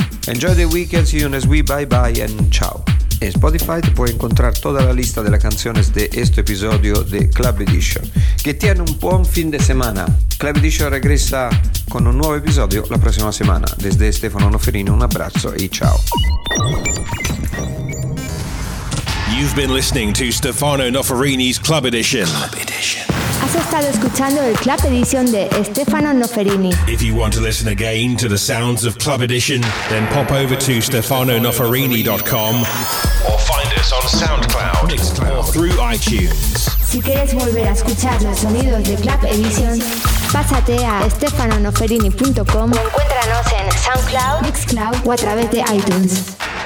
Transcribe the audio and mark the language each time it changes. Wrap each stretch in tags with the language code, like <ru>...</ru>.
<en>Enjoy the weekend, see you next week, bye bye and ciao.</en> <es>En Spotify te puedes encontrar toda la lista de las canciones de este episodio de Club Edition. Que tiene un buen fin de semana. Club Edition regresa con un nuevo episodio la próxima semana. Desde Stefano Noferino, un abrazo y ciao.</es> <en>You've been listening to Stefano Noferini's Club Edition. Club</en> <es>Edition. Has estado escuchando el Club Edition de Stefano Noferini.</es> <en>If you want to listen again to the sounds of Club Edition, then pop over to StefanoNoferini.com or find us on SoundCloud or through iTunes.</en> <es>Si quieres volver a escuchar los sonidos de Club Edition, pásate a StefanoNoferini.com o encuéntranos en SoundCloud, Mixcloud o a través de iTunes.</es>